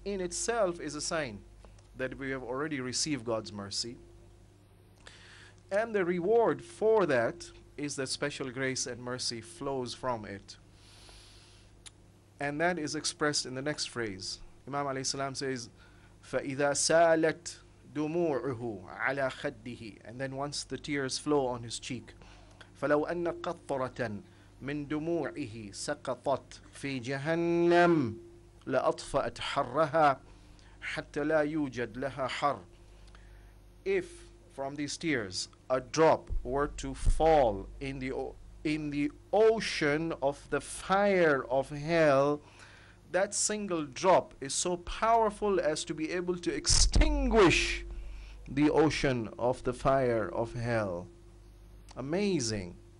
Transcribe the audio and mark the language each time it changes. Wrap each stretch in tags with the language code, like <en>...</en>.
<en>In itself is a sign that we have already received God's mercy. And the reward for that is that special grace and mercy flows from it. And that is expressed in the next phrase.</en> <ar>Imam alayhi salam says, فَإِذَا سَالَتْ دُمُوعُهُ عَلَى خَدِّهِ.</ar> <en>And then once the tears flow on his cheek,</en> <ar>فَلَوْ أَنَّ قَطَّرَةً مِنْ دُمُوعِهِ سَقَطَتْ فِي جَهَنَّمْ لَأَطْفَأَتْ حَرَّهَا حَتَّى لَا يُوجَدْ لَهَا حَرْ.</ar> <en>If from these tears a drop were to fall in the ocean of the fire of hell, that single drop is so powerful as to be able to extinguish the ocean of the fire of hell. Amazing.</en>